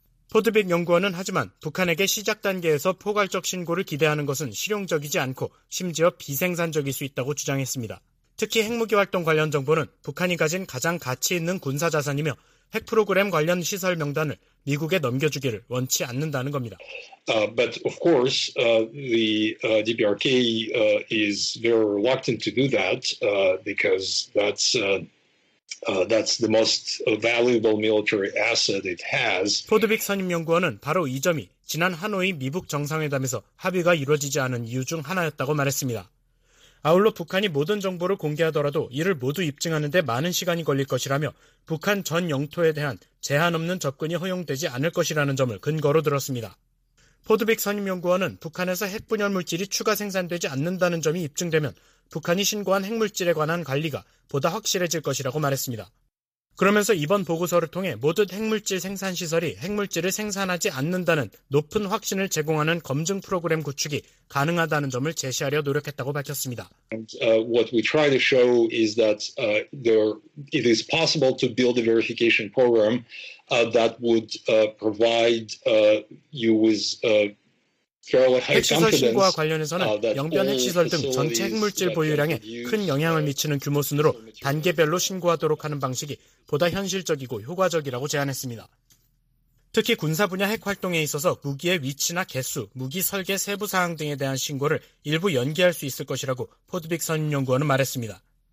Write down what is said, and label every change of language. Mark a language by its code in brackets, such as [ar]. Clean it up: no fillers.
[ko] 포드빅 연구원은 하지만 북한에게 시작 단계에서 포괄적 신고를 기대하는 것은 실용적이지 않고 심지어 비생산적일 수 있다고 주장했습니다. 특히 핵무기 활동 관련 정보는 북한이 가진 가장 가치 있는 군사 자산이며 핵 프로그램 관련 시설 명단을 미국에 넘겨주기를 원치 않는다는 겁니다. [en] But of course, the DPRK is very reluctant to do that because that's the most valuable military asset it has. [ko] 포드빅 선임연구원은 바로 이 점이 지난 하노이 미북 정상회담에서 합의가 이루어지지 않은 이유 중 하나였다고 말했습니다. 아울러 북한이 모든 정보를 공개하더라도 이를 모두 입증하는 데 많은 시간이 걸릴 것이라며 북한 전 영토에 대한 제한 없는 접근이 허용되지 않을 것이라는 점을 근거로 들었습니다. 포드빅 선임연구원은 북한에서 핵분열 물질이 추가 생산되지 않는다는 점이 입증되면 북한이 신고한 핵물질에 관한 관리가 보다 확실해질 것이라고 말했습니다. 그러면서 이번 보고서를 통해 모든 핵물질 생산시설이 핵물질을 생산하지 않는다는 높은 확신을 제공하는 검증 프로그램 구축이 가능하다는 점을 제시하려 노력했다고 밝혔습니다. [en] What we try to show is that it is possible to build a verification program that would provide you with [ko] 핵시설 신고와 관련해서는 영변 핵시설 등 전체 핵물질 보유량에 큰 영향을 미치는 규모 순으로 단계별로 신고하도록 하는 방식이 보다 현실적이고 효과적이라고 제안했습니다. 특히 군사 분야 핵 활동에 있어서 무기의 위치나 개수, 무기 설계 세부 사항 등에 대한 신고를 일부 연기할 수 있을 것이라고 포드빅 선임연구원은 말했습니다.